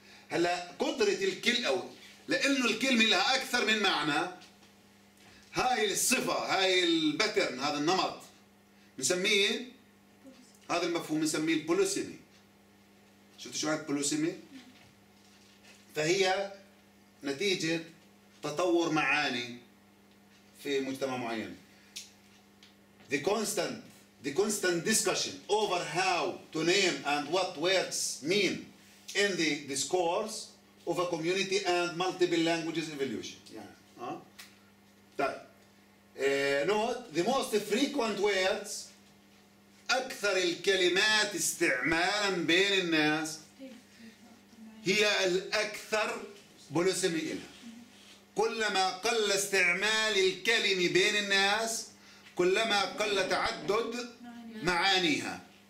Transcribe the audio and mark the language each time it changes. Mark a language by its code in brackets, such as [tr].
[ar] هلا قدرة الكل أو لأنه الكلمة لها أكثر من معنى، هاي الصفة، هاي البترن، هذا النمط بنسميه، هذا المفهوم بنسميه البوليسيمي. شفت شو معنى البوليسيمي؟ فهي نتيجة تطور معاني في مجتمع معين. [en] The constant discussion over how to name and what words mean in the discourse of a community and multiple languages evolution. [ar] طيب نوت، [en] the most frequent words، [ar] أكثر الكلمات استعمالا بين الناس هي الأكثر بوليسيمي إلها. كلما قل استعمال الكلمة بين الناس كلما قل تعدد معانيها.